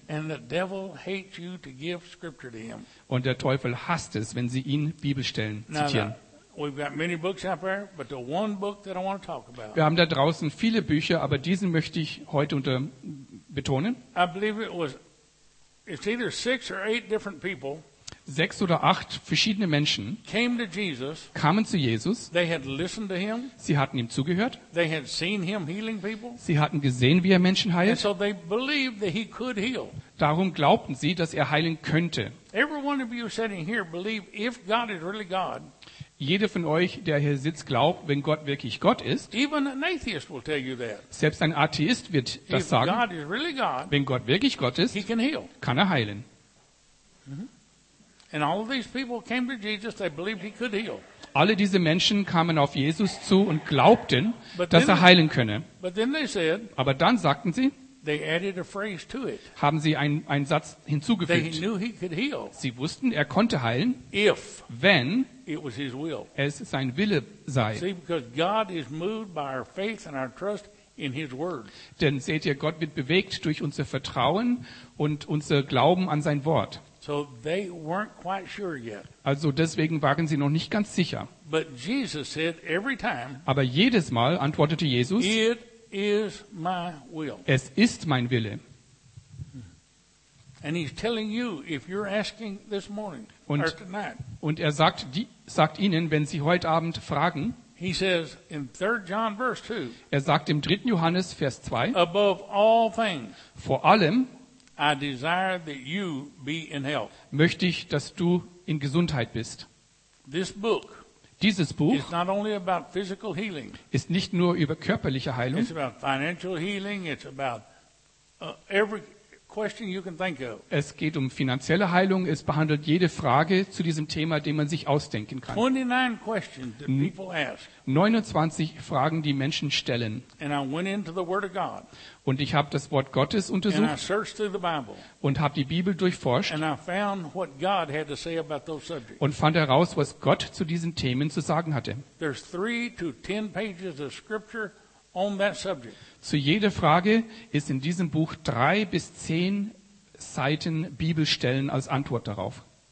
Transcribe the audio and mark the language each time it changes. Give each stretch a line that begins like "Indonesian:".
English: And the devil hates you to give scripture to him.
German: Und der Teufel hasst es, wenn sie ihn Bibelstellen zitieren.
English: We've got many books out there, but the one book that I want to talk about.
German: Wir haben da draußen viele Bücher, aber diesen möchte ich heute unter betonen.
English: I believe it's either six or eight different people.
German: Sechs oder acht verschiedene Menschen
English: came to Jesus,
German: kamen zu Jesus.
English: They had listened to him,
German: sie hatten ihm zugehört.
English: They had seen him healing people,
German: sie hatten gesehen, wie er Menschen heilt.
English: And so they believed that he could heal.
German: Darum glaubten sie, dass er heilen könnte.
English: Every one of you sitting here believe if God is really God,
German: jeder von euch, der hier sitzt, glaubt, wenn Gott wirklich Gott ist.
English: Even an atheist will tell you that.
German: Selbst ein Atheist wird das
English: if
German: sagen.
English: God is really God,
German: wenn Gott wirklich Gott ist,
English: he can heal.
German: Kann er heilen.
English: And all these people came to Jesus, they believed he could heal.
German: Alle diese Menschen kamen auf Jesus zu und glaubten, dass er heilen könne.
English: But then they said,
German: aber dann sagten sie,
English: they added a phrase to it.
German: Haben sie einen Satz hinzugefügt.
English: They knew he could heal.
German: Sie wussten, er konnte heilen,
English: if
German: wenn
English: it was his will.
German: Es sein Wille sei.
English: See, because God is moved by our faith and our trust in his word.
German: Denn seht ihr, Gott wird bewegt durch unser Vertrauen und unser Glauben an sein Wort.
English: So they weren't quite sure yet.
German: Also deswegen waren sie noch nicht ganz sicher.
English: But Jesus said every time,
German: aber jedes Mal antwortete Jesus,
English: it is my will.
German: Es ist mein Wille.
English: And he's telling you, if you're asking this morning,
German: und,
English: or tonight,
German: und er sagt, die, sagt ihnen, wenn sie heute Abend fragen,
English: he says in 3 John verse 2,
German: er sagt im 3. Johannes Vers 2,
English: above all things,
German: vor allem,
English: I desire that you be in health.
German: Möchte ich, dass du in Gesundheit bist.
English: This book,
German: dieses Buch,
English: is not only about physical healing,
German: ist nicht nur über körperliche Heilung.
English: It's about financial healing. It's about every question you can think of.
German: Es geht um finanzielle Heilung. Es behandelt jede Frage zu diesem Thema, den man sich ausdenken kann.
English: 29 questions that people ask.
German: 29 Fragen, die Menschen stellen.
English: And I went into the Word of God.
German: Und ich habe das Wort Gottes untersucht.
English: And I searched through the Bible.
German: Und habe die Bibel durchforscht.
English: And I found what God had to say about those subjects.
German: Und fand heraus, was Gott zu diesen Themen zu sagen hatte.
English: There's 3 to 10 pages of scripture on that subject.
German: Zu jeder Frage ist in diesem Buch 3 bis 10 Seiten Bibelstellen als Antwort darauf.